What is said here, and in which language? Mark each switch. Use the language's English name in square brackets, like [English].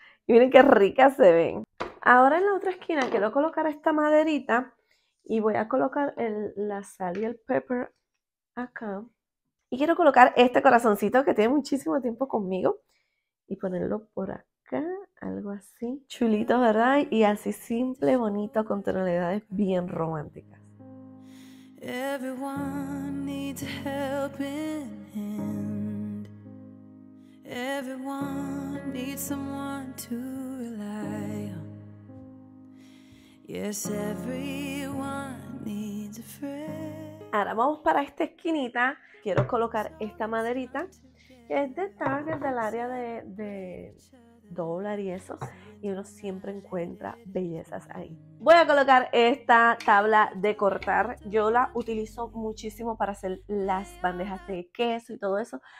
[Spanish] Y miren qué ricas se ven. Ahora en la otra esquina quiero colocar esta maderita y voy a colocar la sal y el pepper acá. Y quiero colocar este corazoncito que tiene muchísimo tiempo conmigo y ponerlo por acá. Algo así. Chulito, ¿verdad? Y así simple, bonito, con tonalidades bien románticas. [English] Everyone needs a helping hand. Everyone needs someone to rely on. Yes, everyone needs a friend. [Spanish] Ahora vamos para esta esquinita. Quiero colocar esta maderita que es de Target, del área de dólar y eso. Y uno siempre encuentra bellezas ahí. Voy a colocar esta tabla de cortar. Yo la utilizo muchísimo para hacer las bandejas de queso y todo eso.